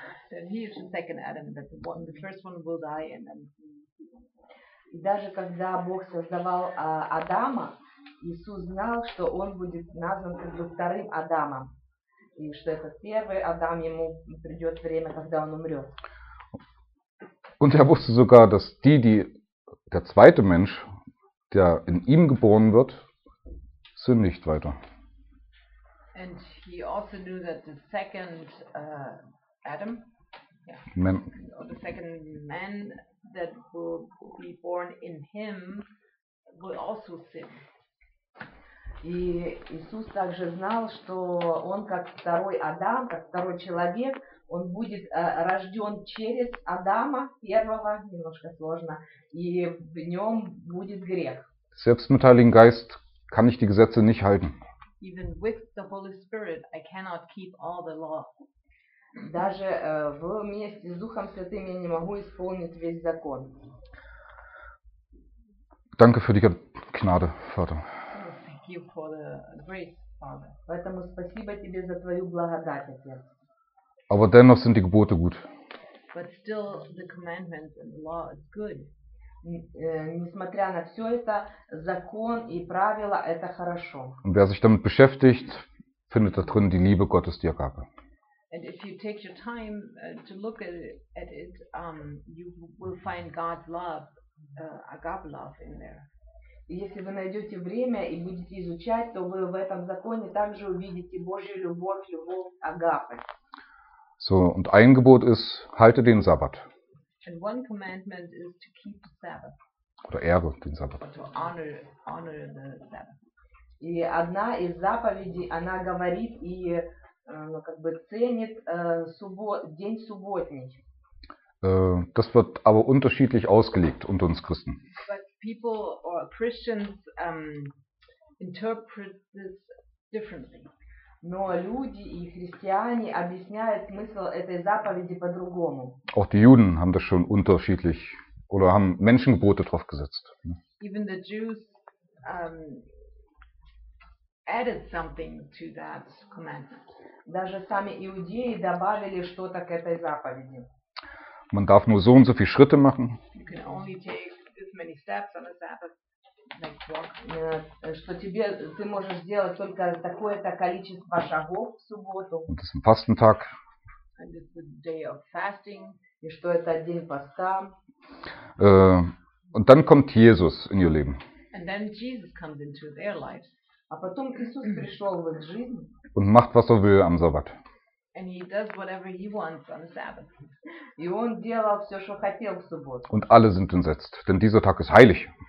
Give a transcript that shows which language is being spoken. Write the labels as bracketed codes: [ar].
[en] That he is the second Adam, that the first one will die and then. [ru] И даже когда Бог создавал Адама, Иисус знал, что он будет назван как бы вторым Адамом. И что этот первый Адам, ему придет время, когда он умрет. [de] Und er wusste sogar, dass die, die der zweite Mensch, der in ihm geboren wird, sündigt weiter. [en] And he also knew that the second Adam, yeah, Man, or the second man that will be born in him will also sin. [ru] И Иисус также знал, что он как второй Адам, как второй человек, он будет рожден через Адама первого, немножко сложно, и в нем будет грех. [de] Selbst mit Heiligen Geist kann ich die Gesetze nicht halten. [en] Even with the Holy Spirit, I cannot keep all the law. [ru] Даже вместе с Духом Святым я не могу исполнить весь закон. [de] Danke für die Gnade, Vater. [en] Thank you for the grace, Father. [ru] Поэтому спасибо тебе за твою благодать, Отец. [de] Aber dennoch sind die Gebote gut. [en] But still the commandments and the law is good. [ru] Несмотря на все это, закон и правила – это хорошо. [de] Und wer sich damit beschäftigt, findet darin die Liebe Gottes, die Agape. [en] And if you take your time to look at it, you will find God's love, agape love in there. [ru] Если вы найдете время и будете изучать, то вы в этом законе также увидите Божью любовь, любовь агапы. [de] So, und ein Gebot ist, halte den Sabbat. [en] And one commandment is to keep the Sabbath. [de] Oder ehre den Sabbat. [en] Or to honor the Sabbath. [ru] И одна из заповедей, она говорит и ну, как бы ценит день субботний. [de] Das wird aber unterschiedlich ausgelegt unter uns Christen. [en] People or Christians interpret this differently. [ru] Но люди и христиане объясняют смысл этой заповеди по-другому. [de] Auch die Juden haben das schon unterschiedlich oder haben Menschengebote drauf gesetzt. [en] Even the Jews added something to that commandment. [ru] Даже сами иудеи добавили что-то к этой заповеди. [de] Man darf nur so und so viele Schritte machen. [en] You can only take many steps on the Sabbath, like walk. [ru] Что тебе ты можешь сделать только такое-то количество шагов в субботу. [de] Und das ist ein Fastentag. [en] And it's a day of fasting. [ru] И что это день поста. [de] Und dann kommt Jesus [en] in your [de] Leben. [en] And then Jesus comes into their lives. [ru] А потом Иисус пришел в их жизнь. [de] Und macht was er will am Sabbat. [en] And he does whatever he wants on the Sabbath. [ru] И он делал все, что хотел в субботу. [de] Und alle sind entsetzt, denn dieser Tag ist heilig.